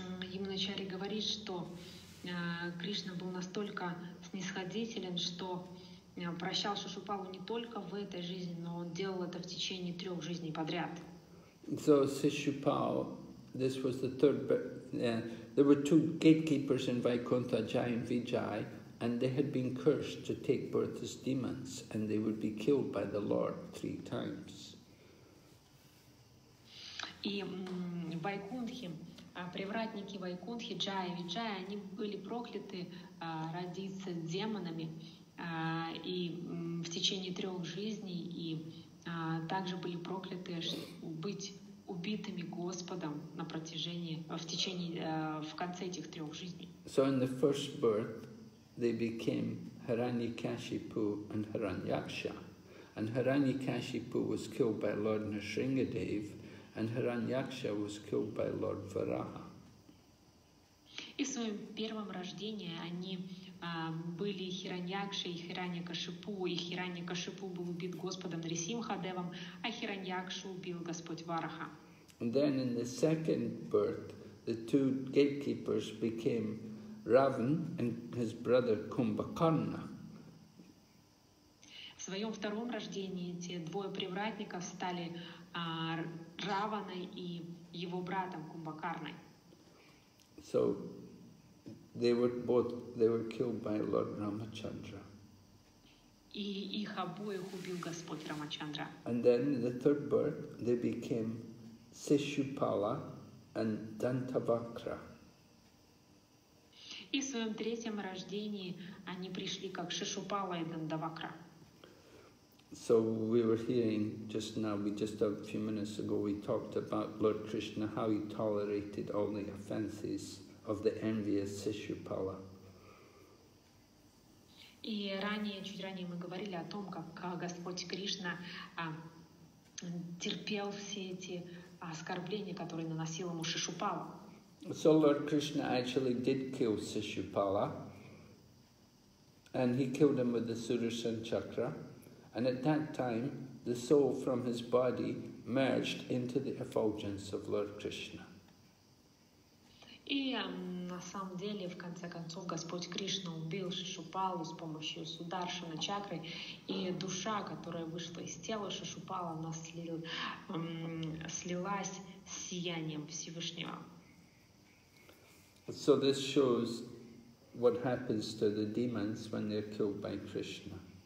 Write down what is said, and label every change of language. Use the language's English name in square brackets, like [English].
[Russian] Ямуначарья говорит, что Кришна был настолько снисходителен, что прощал Шишупалу не только в этой жизни, но он делал это в течение трех жизней подряд. [English] So Sishupal, this was the third, there were two gatekeepers in Vaikuntha, Jai and Vijay, and they had been cursed to take birth as demons, and they would be killed by the Lord three times. [Russian] И Вайкунтхи, привратники Вайкунтхи, Джая и Виджая, они были прокляты родиться демонами и в течение трех жизней, и также были прокляты быть убитыми Господом на протяжении, в течение, в конце этих трех жизней. [English] So in the first birth, they became Hiranyakashipu and Hiranyaksha. And Hiranyakashipu was killed by Lord Nrisingadev, and Hiranyaksha was killed by Lord Varaha. [Russian] И в своем первом рождении они были Хираньякша и Хираньякашипу, и Хираньякашипу был убит Господом Нарисимхадевом, а Хираньякшу убил Господь Вараха. [English] And then in the second birth, the two gatekeepers became Ravan and his brother Kumbhakarna. [Russian] В своем втором рождении эти двое привратников стали Раваной и его братом Кумбхакарной. [English] So they were killed by Lord Ramachandra. [Russian] И их обоих убил Господь Рамачандра. [English] And then in the third birth they became Sishupala and Dantavakra. [Russian] И в своем третьем рождении они пришли как Шишупала и Дантавакра. [English] So we were hearing just now, we just a few minutes ago, we talked about Lord Krishna, how he tolerated all the offenses of the envious Sishupala. [Russian] И ранее, чуть ранее мы говорили о том, как Господь Кришна терпел все эти оскорбления, которые наносил ему Шишупала. [English] So Lord Krishna actually did kill Sishupala, and he killed him with the Sudarshan Chakra. And at that time, the soul from his body merged into the effulgence of Lord Krishna. [Russian] И на самом деле, в конце концов, Господь Кришна убил Шишупалу с помощью Сударшана чакры, и душа, которая вышла из тела Шишупала, она слилась с сиянием Всевышнего. [English] So this shows what happens to the demons when they're killed by Krishna.